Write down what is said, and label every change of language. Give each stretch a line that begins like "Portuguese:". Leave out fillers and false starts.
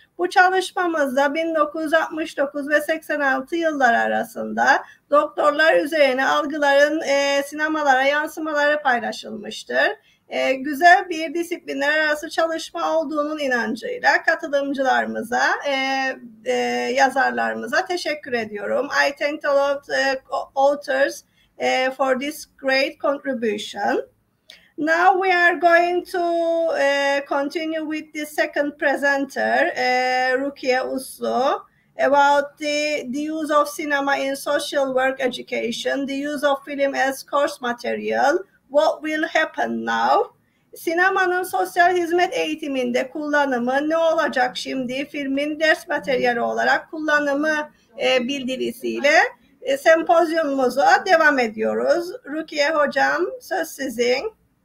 Turkish: Bu çalışmamızda 1969 ve 86 yılları arasında doktorlar üzerine algıların sinemalara yansımaları paylaşılmıştır. Güzel bir disiplinler arası çalışma olduğunun inancıyla katılımcılarımıza, yazarlarımıza teşekkür ediyorum.
English: I thank a lot authors for this great contribution. Now we are going to continue with the second presenter, Rukiye Uslu, about the use of cinema in social work education, the use of film as course material. What will happen now?
Turkish: Sinemanın sosyal hizmet eğitiminde kullanımı ne olacak şimdi? Filmin ders materyali olarak kullanımı bildirisiyle sempozyumumuza devam ediyoruz. Rukiye Hocam, söz sizin.